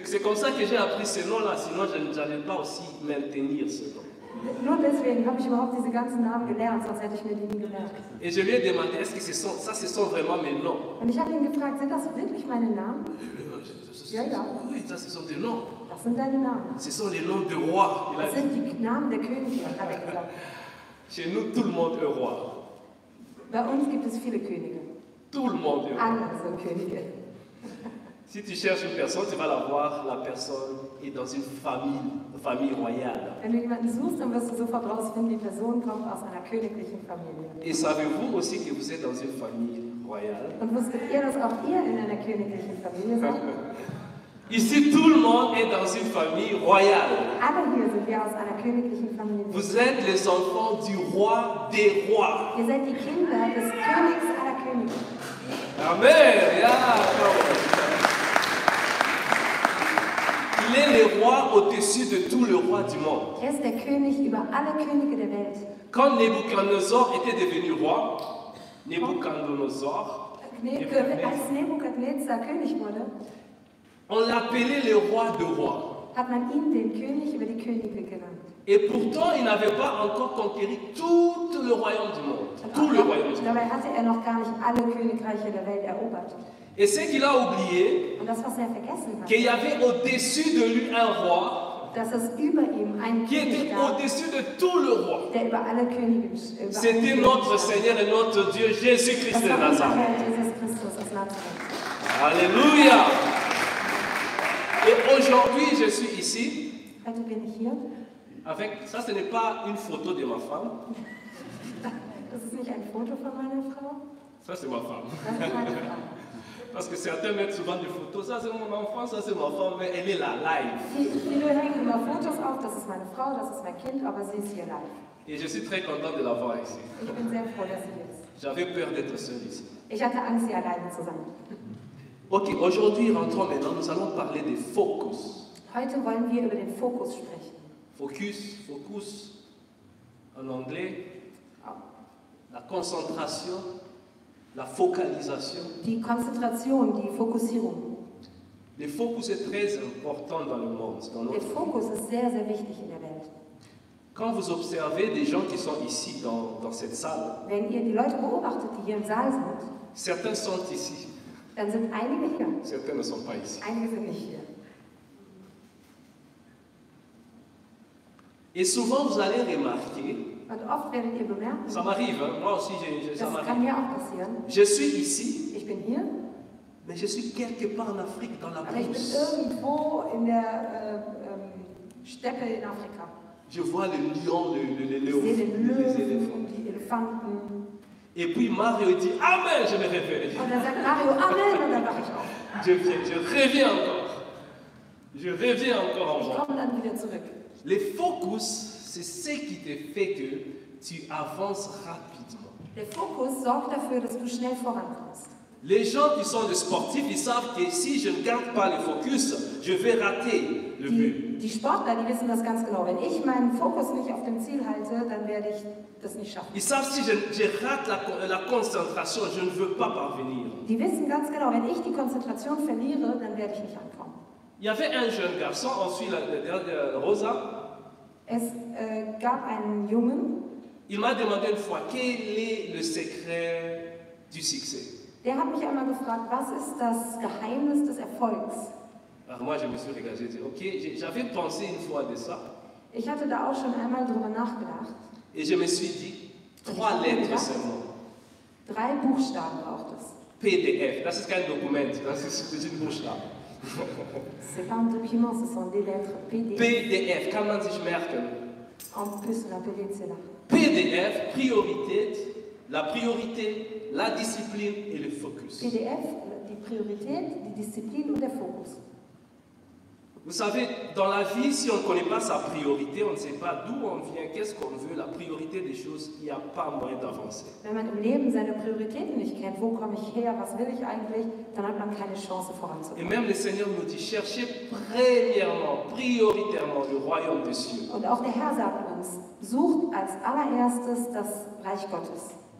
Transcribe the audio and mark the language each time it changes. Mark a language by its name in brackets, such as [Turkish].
[French] C'est comme ça que j'ai appris ce nom-là, sinon je n'allais pas aussi maintenir ce nom. [German] Nur deswegen habe ich überhaupt diese ganzen Namen gelernt, sonst hätte ich mir die nie gemerkt. [French] Et je lui ai demandé, est-ce que ce sont vraiment mes noms? [German] Und ich habe ihn gefragt, sind das wirklich meine Namen? [French] Ja, ce sont des noms. [German] Das sind deine Namen. [French] Ce sont les noms de roi. [German] Das sind die Namen der Könige, habe ich gesagt. [French] Chez nous, tout le monde est roi. [German] Bei uns gibt es viele Könige. [French] Tout le monde est roi. [German] Alle sind Könige. [French] Si tu cherches une personne, tu vas la voir, la personne est dans une famille royale. [German] Wenn du jemanden suchst, dann wirst du sofort rausfinden, die Person kommt aus einer königlichen Familie. [French] Et savez-vous aussi que vous êtes dans une famille royale? [German] Und wusstet ihr, dass auch ihr in einer königlichen Familie seid? [French] Ici, tout le monde est dans une famille royale. [German] Alle hier sind wir aus einer königlichen Familie. [French] Vous êtes les enfants du roi des rois. [German] Ihr seid die Kinder des Königs aller Könige. Amen! Ja, komm. [French] Il est le roi au-dessus de tous les rois du monde. [German] Er ist der König über alle Könige der Welt. [French] Quand Nebuchadnezzar était devenu roi, Nebuchadnezzar, [German] als Nebuchadnezzar König wurde, [French] on l'appelait le roi de rois. [German] Hat man ihn den König über die Könige genannt. [French] Et pourtant, il n'avait pas encore conquis tout le royaume du monde. [German] Dabei hatte er noch gar nicht alle Königreiche der Welt erobert. [French] Et ce qu'il a oublié, qu'il y avait au-dessus de lui un roi, [German] dass es über ihm ein [French] qui [German] König [French] était au-dessus de tout le roi. [German] Der über alle Könige, über [French] c'était [German] alle [French] notre [German] Könige. [French] Seigneur et notre Dieu, Jésus-Christ de Nazareth. Alléluia! Et aujourd'hui, je suis ici. [German] Heute bin ich hier. [French] Avec, ça, ce n'est pas une photo de ma femme. [German] Das ist nicht ein Foto von meiner Frau. [French] Ça, c'est ma femme. Parce que certains mettent souvent des photos. Ça c'est mon enfant, ça c'est ma femme, mais elle est là live. [German] Viele hängen immer Fotos auf. Das ist meine Frau, das ist mein Kind, aber sie ist hier live. [French] Et je suis très content de l'avoir ici. [German] Ich bin sehr froh, dass sie hier ist. [French] J'avais peur d'être seul ici. [German] Ich hatte Angst, sie alleine zu sein. [French] Ok, aujourd'hui rentrons maintenant. Nous allons parler des focus. [German] Heute wollen wir über den Fokus sprechen. [French] Focus, en anglais. Oh. La concentration. La focalisation. [German] Die Konzentration, die Fokussierung. [French] Le focus est très important dans le monde, dans notre [German] Der Fokus ist sehr, sehr wichtig in der Welt. [French] Quand vous observez des gens qui sont ici dans cette salle, [German] wenn ihr die Leute beobachtet, die hier im Saal sind, [French] certains sont ici. [German] Dann sind einige hier. [French] Certains ne sont pas ici. [German] Einige sind nicht hier. [French] Et souvent vous allez remarquer. [German] Und oft werdet ihr bemerken, [French] ça m'arrive, moi aussi, [German] das kann mir auch passieren. [French] Je suis ici, [German] ich bin hier, [French] mais je suis quelque part en Afrique, dans la brousse. [German] Aber ich bin irgendwo in der Steppe in Afrika. [French] Je vois les lions, les [German] Löwen, [French] les [German] Elefanten. [French] Et puis Mario dit Amen, je me réveille. [German] Und dann sagt Mario Amen und dann wache ich auf. [French] Je reviens encore en moi. [German] Ich komme dann wieder zurück. [French] Les focus. C'est ce qui te fait que tu avances rapidement. [German] Der Fokus sorgt dafür, dass du schnell vorankommst. [French] Les gens qui sont des sportifs, ils savent que si je ne garde pas le focus, je vais rater le but. [German] Die Sportler, die wissen das ganz genau. Wenn ich meinen Fokus nicht auf dem Ziel halte, dann werde ich das nicht schaffen. [French] Ils savent si je rate la concentration, je ne veux pas parvenir. [German] Die wissen ganz genau, wenn ich die Konzentration verliere, dann werde ich nicht ankommen. [French] Il y avait un jeune garçon, on suit la Rosa. [German] Es gab einen Jungen. [French] Il m'a demandé une fois, quel est le secret du succès? [German] Der hat mich einmal gefragt, was ist das Geheimnis des Erfolgs? [French] Alors moi, je me suis regardé et dit, ok, j'avais pensé une fois de ça. [German] Ich hatte da auch schon einmal drüber nachgedacht. [French] Et je me suis dit, trois lettres seulement. [German] Drei Buchstaben braucht es. PDF, das ist kein Dokument, das ist ein Buchstabe. [French] C'est pas un document, ce sont des lettres PDF. [German] PDF, kann man sich merken? [French] En plus, la PDF, c'est là. PDF, priorité, la priorité, la discipline et le focus. [German] PDF, die Priorität, die Disziplin und der Fokus. [French] Vous savez, dans la vie, si on ne connaît pas sa priorité, on ne sait pas d'où on vient, qu'est-ce qu'on veut, la priorité des choses, il n'y a pas moyen d'avancer. [German] Wenn man im Leben seine Prioritäten nicht kennt, wo komme ich her, was will ich eigentlich, dann hat man keine Chance voranzukommen. [French] Et même le Seigneur nous dit, cherchez premièrement, prioritairement le royaume des cieux. [German] Und auch der Herr sagt uns, sucht als allererstes das Reich Gottes.